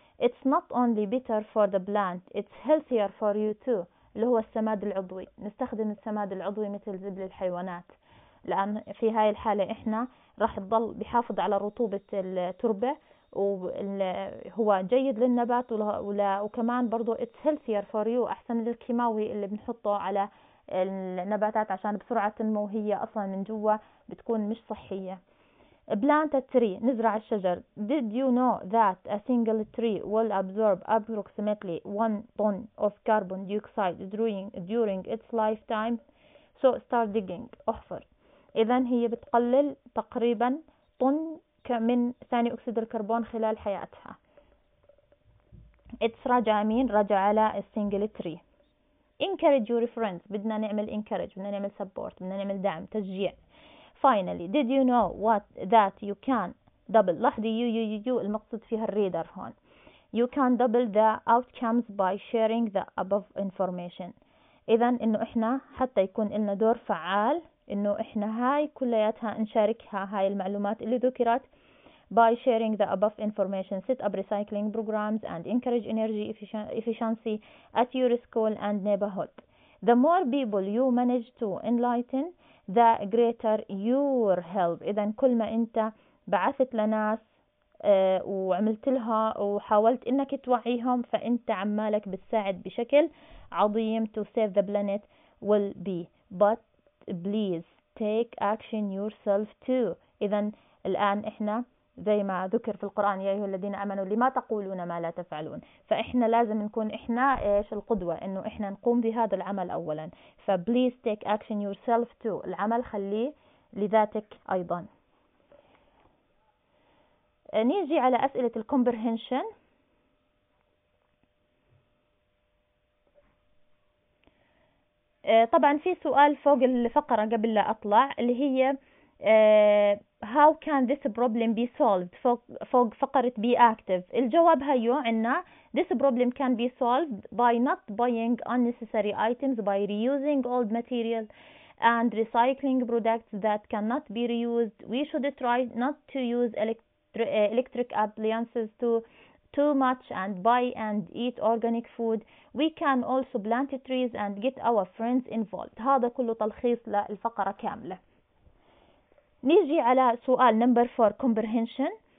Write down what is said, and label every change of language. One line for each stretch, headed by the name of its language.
English: It's not only better for the plant, it's healthier for you too.
Arabic: اللي هو السماد العضوي. نستخدم السماد العضوي مثل زبل الحيوانات لأن في هاي الحالة إحنا راح تضل بحافظ على رطوبة التربة وهو جيد للنبات وكمان برضو
English: it's healthier for you
Arabic: أحسن للكيماوي اللي بنحطه على النباتات عشان بسرعة تنمو هي أصلا من جوا بتكون مش صحية.
English: Plant a tree
Arabic: نزرع الشجر.
English: Did you know that a single tree will absorb approximately 1 ton of carbon dioxide during its lifetime? So start digging.
Arabic: احفر. إذا هي بتقلل تقريبا طن من ثاني أكسيد الكربون خلال حياتها.
English: It's
Arabic: راجع مين؟ راجع على
English: single tree. Encourage your friends.
Arabic: بدنا نعمل encourage. بدنا نعمل support. بدنا نعمل دعم. تشجيع.
English: Finally, did you know what that you can double?
Arabic: لحظة you المقصود فيها الريدر هون.
English: You can double the outcomes by sharing the above information.
Arabic: إذا إنه إحنا حتى يكون لنا دور فعال، إنه إحنا هاي كلياتها نشاركها، هاي المعلومات اللي ذكرت
English: by sharing the above information, set up recycling programs and encourage energy efficiency at your school and neighborhood. The more people you manage to enlighten, the greater your help.
Arabic: إذا كل ما أنت بعثت لناس وعملت لها وحاولت إنك توعيهم، فأنت عمالك بتساعد بشكل عظيم
English: to save the planet will be. But please take action yourself too.
Arabic: إذا الآن إحنا زي ما ذكر في القرآن، يا أيها الذين آمنوا لما تقولون ما لا تفعلون. فإحنا لازم نكون إحنا إيش القدوة، إنه إحنا نقوم بهذا العمل أولا.
English: فبليز take action yourself too,
Arabic: العمل خليه لذاتك أيضا. نيجي على أسئلة الكومبرهنشن. طبعا في سؤال فوق الفقرة قبل لا أطلع، اللي هي
English: how can this problem be solved،
Arabic: فوق فقرة
English: be active.
Arabic: الجواب هيو عنا،
English: this problem can be solved by not buying unnecessary items, by reusing old material and recycling products that cannot be reused. We should try not to use electric appliances too much and buy and eat organic food. We can also plant trees and get our friends involved.
Arabic: هذا كله تلخيص للفقرة كاملة. نيجي على سؤال نمبر 4 comprehension.